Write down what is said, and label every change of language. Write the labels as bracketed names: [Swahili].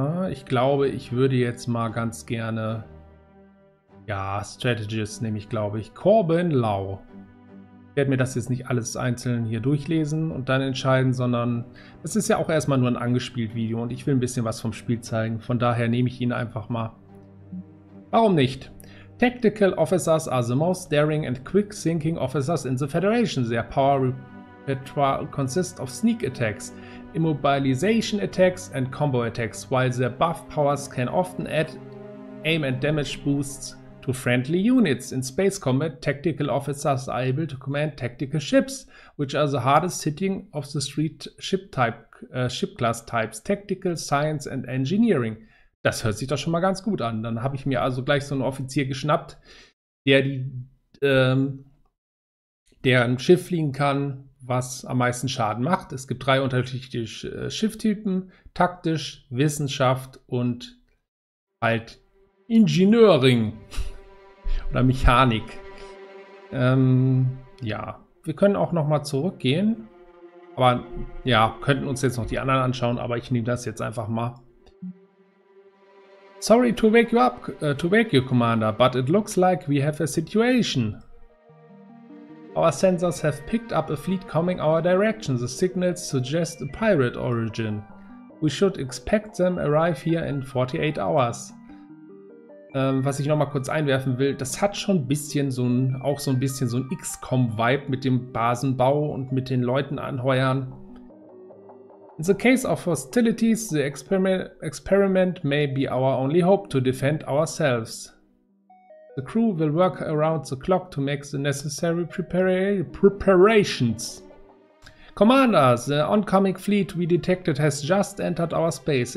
[German] Ich glaube, ich würde jetzt mal ganz gerne. Ja, Strategist nehme ich, glaube ich. Corbin Lau. Ich werde mir das jetzt nicht alles einzeln hier durchlesen und dann entscheiden, sondern es ist ja auch erstmal nur ein angespielt Video und ich will ein bisschen was vom Spiel zeigen. Von daher nehme ich ihn einfach mal. Warum nicht? [English] Tactical Officers are the most daring and quick-thinking officers in the Federation. Their power repertoire consists of sneak attacks, immobilization attacks and combo attacks, while their buff powers can often add aim and damage boosts to friendly units. In space combat, tactical officers are able to command tactical ships, which are the hardest hitting of the three ship class types, tactical, science and engineering. [German] Das hört sich doch schon mal ganz gut an. Dann habe ich mir also gleich so einen Offizier geschnappt, der der ein Schiff fliegen kann, was am meisten Schaden macht. Es gibt drei unterschiedliche Schifftypen, taktisch, Wissenschaft und halt Engineering oder Mechanik. Ja, wir können auch nochmal zurückgehen. Aber ja, könnten uns jetzt noch die anderen anschauen, aber ich nehme das jetzt einfach mal. [English] Sorry to wake you up, Commander, but it looks like we have a situation. Our sensors have picked up a fleet coming our direction. The signals suggest a pirate origin. We should expect them arrive here in 48 hours. [German] Was ich nochmal kurz einwerfen will, das hat schon ein bisschen so ein, auch so ein bisschen so ein XCOM-Vibe mit dem Basenbau und mit den Leuten anheuern. [English] In the case of hostilities, the experiment may be our only hope to defend ourselves. The crew will work around the clock to make the necessary preparations. Commander, the oncoming fleet we detected has just entered our space.